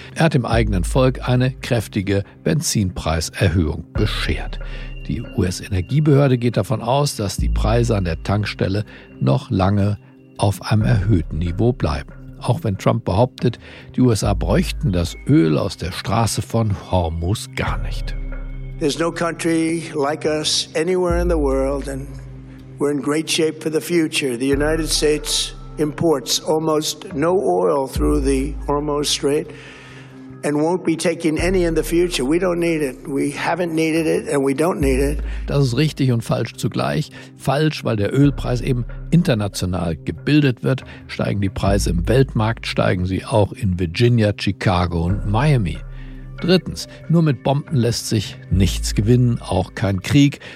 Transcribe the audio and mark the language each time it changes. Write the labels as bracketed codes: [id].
[de] Er hat dem eigenen Volk eine kräftige Benzinpreiserhöhung beschert. Die US-Energiebehörde geht davon aus, dass die Preise an der Tankstelle noch lange auf einem erhöhten Niveau bleiben. Auch wenn Trump behauptet, die USA bräuchten das Öl aus der Straße von Hormuz gar nicht. [en] There's no country like us anywhere in the world, and we're in great shape for the future. The United States imports almost no oil through the Hormuz Strait. And won't be taking any in the future. We don't need it. We haven't needed it and we don't need it. [de] Das ist richtig und falsch zugleich. Falsch, weil der Ölpreis eben international gebildet wird. Steigen die Preise im Weltmarkt, steigen sie auch in Virginia, Chicago und Miami. Drittens, nur mit Bomben lässt sich nichts gewinnen, auch kein Krieg.